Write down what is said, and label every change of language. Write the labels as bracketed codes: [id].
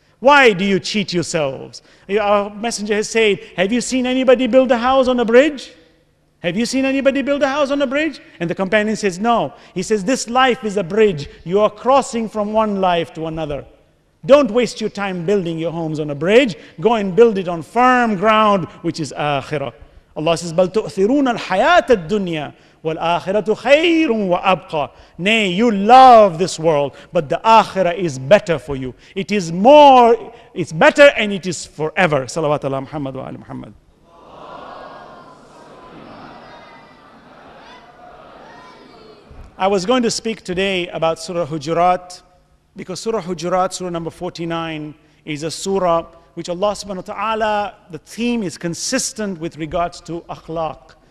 [en] Why do you cheat yourselves? Our messenger has said, have you seen anybody build a house on a bridge? Have you seen anybody build a house on a bridge? And the companion says, no. He says, this life is a bridge. You are crossing from one life to another. Don't waste your time building your homes on a bridge. Go and build it on firm ground, which is akhirah. [ar] Allah says, بَلْ تُؤْثِرُونَ الْحَيَاةَ الدُّنْيَا وَالْآخِرَةُ خَيْرٌ وَأَبْقَى. [en] Nay, you love this world, but the akhirah is better for you. It is more, it's better, and it is forever. [ar] Salawat Allah Muhammad wa Ali Muhammad. [en] I was going to speak today about Surah Hujurat, because Surah Hujurat, Surah number 49, is a surah which Allah subhanahu wa ta'ala, the theme is consistent with regards to akhlaq,